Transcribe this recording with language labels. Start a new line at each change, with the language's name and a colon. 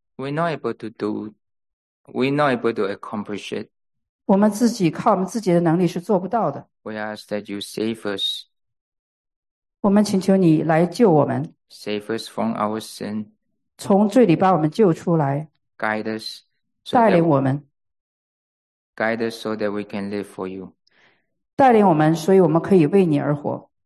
English: We're not able to accomplish it
Chinese: 我们自己靠我们自己的能力是做不到的。
English: We ask that you save us.
Chinese: 我们请求你来救我们。
English: Save us from our sin.
Chinese: 从罪里把我们救出来。
English: Guide us.
Chinese: 带领我们。
English: Guide us so that we can live for you.
Chinese: 带领我们，所以我们可以为你而活。